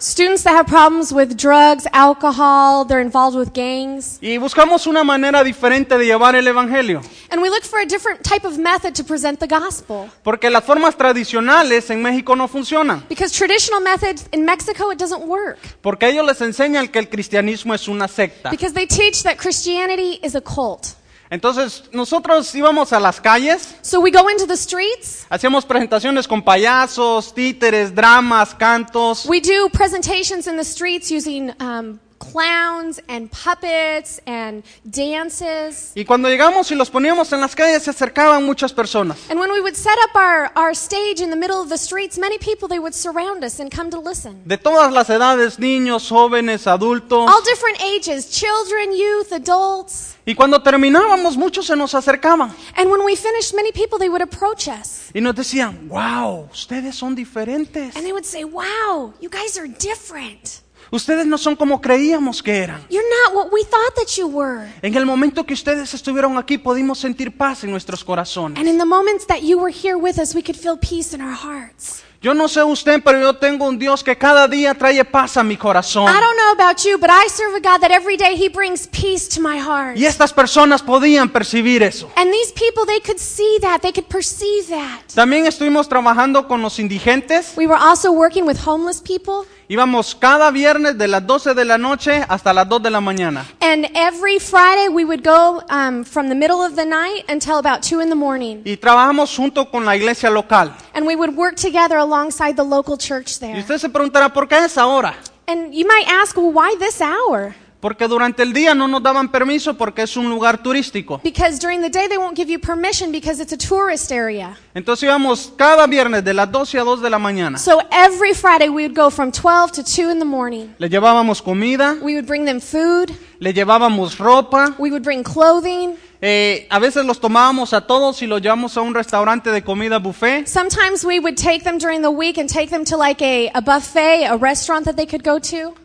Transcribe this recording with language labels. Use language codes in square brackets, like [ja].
[en] Students that have problems with drugs, alcohol, they're involved with gangs. [es] Y buscamos una manera diferente de llevar el evangelio. [en] And we look for a different type of method to present the gospel. [es] Porque las formas tradicionales en México no funcionan. [en] Because traditional methods in Mexico, it doesn't work. [es] Porque ellos les enseñan que el cristianismo es una secta. [en] Because they teach that Christianity is a cult. [es] Entonces, nosotros íbamos a las calles. [en] So we go into the streets. [es] Hacíamos presentaciones con payasos, títeres, dramas, cantos. [en] We do presentations in the streets using clowns and puppets and dances. [es] Y cuando llegamos y los poníamos en las calles, se acercaban muchas personas. [en] And when we would set up our stage in the middle of the streets, many people, they would surround us and come to listen. [es] De todas las edades, niños, jóvenes, adultos. [en] All different ages, children, youth, adults. [es] Y cuando terminábamos, muchos se nos acercaban. [en] And when we finished, many people, they would approach us. [es] Y nos decían, wow, ustedes son diferentes. [en] And they would say, wow, you guys are different. [es] Ustedes no son como creíamos que eran. [en] You're not what we thought that you were. [es] En el momento que ustedes estuvieron aquí, pudimos sentir paz en nuestros corazones. [en] And in the moments that you were here with us, we could feel peace in our hearts. [es] Yo no sé usted, pero yo tengo un Dios que cada día trae paz a mi corazón. [en] I don't know about you, but I serve a God that every day He brings peace to my heart. [es] Y estas personas podían percibir eso. [en] And these people, they could see that, they could perceive that. [es] También estuvimos trabajando con los indigentes. [en] We were also working with homeless people. [es] Íbamos cada viernes de las 12 de la noche hasta las 2 de la mañana. [en] And every Friday we would go from the middle of the night until about 2 in the morning. [es] Y trabajamos junto con la iglesia local. [en] And we would work together alongside the local church there. [es] Y usted se preguntará, ¿por qué esa hora? [en] And you might ask, well, why this hour? [es] Porque durante el día no nos daban permiso porque es un lugar turístico. [en] Because during the day they won't give you permission because it's a tourist area. [es] Entonces íbamos cada viernes de las 12 a 2 de la mañana. [en] So every Friday we would go from 12 to 2 in the morning. [es] Le llevábamos comida. [en] We would bring them food. [es] Le llevábamos ropa. [en] We would bring clothing. [es] A veces los tomábamos a todos y los llevamos a un restaurante de comida buffet. [en] Sometimes we would take them during the week and take them to like a buffet, a restaurant that they could go to.